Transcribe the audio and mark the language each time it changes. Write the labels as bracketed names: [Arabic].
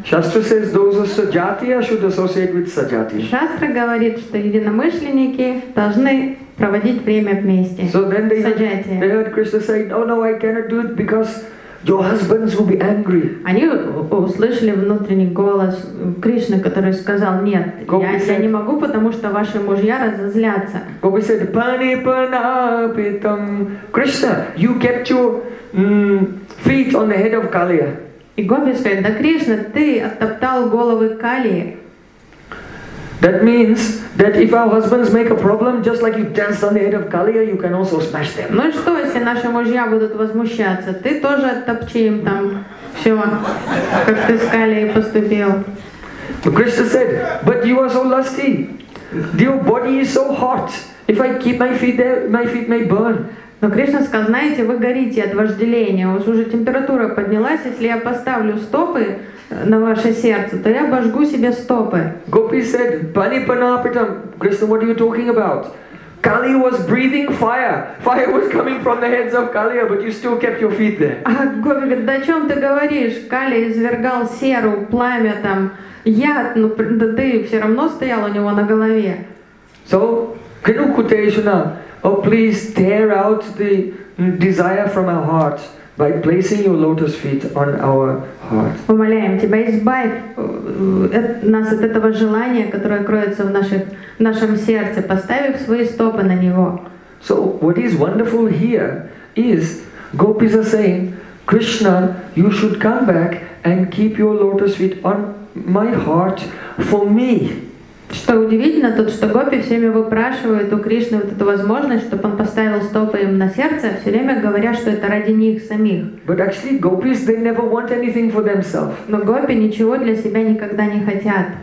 [English] Shastra says those are sajatiya should associate with sajatiya. [Russian] Shastra говорит, что единомышленники должны проводить время вместе. [English] So then they heard Krishna say, "Oh no, I cannot do it because your husbands will be angry." [Russian] Они услышали внутренний голос Кришны, который сказал, "Нет, я не могу, потому что ваши мужья разозлятся." [English] Gopi said, "Pani panapitam." Krishna, you kept your feet on the head of Kaliya. [Russian] И Гопи сказал, да Кришна, ты оттоптал головы Калии. [English] That means that if our husbands make a problem, just like you danced on the head of Kaliya, you can also smash them. [Russian] Ну и что, если наши мужья будут возмущаться, ты тоже оттопчи им там все, как ты с Калией поступил. [English] But Krishna said, but you are so lusty. Your body is so hot. If I keep my feet there, my feet may burn. [Russian] Но Кришна сказал, знаете, вы горите от вожделения, у вас уже температура поднялась, если я поставлю стопы на ваше сердце, то я обожгу себе стопы. [English] Gopi said, Pani Panapitam, Krishna, what are you talking about? Kali was breathing fire. Fire was coming from the heads of Kaliya, but you still kept your feet there. [Russian] А Гопи говорит, да о чем ты говоришь? Кали извергал серу, пламя там, яд, но да ты все равно стоял у него на голове. [English] So, Kinu Kuteshuna, oh, please tear out the desire from our hearts by placing your lotus feet on our heart. [Russian] Умоляем тебя, избавь нас от этого желания, которое кроется в нашем сердце, поставив свои стопы на него. [English] So what is wonderful here is gopis are saying, Krishna, you should come back and keep your lotus feet on my heart for me. [Russian] Что удивительно, тот, что гопи все время выпрашивают у Кришны вот эту возможность, чтобы он поставил стопы им на сердце, все время говоря, что это ради них самих. [English] But actually, gopis, they never want anything for themselves. [Russian] Но гопи ничего для себя никогда не хотят.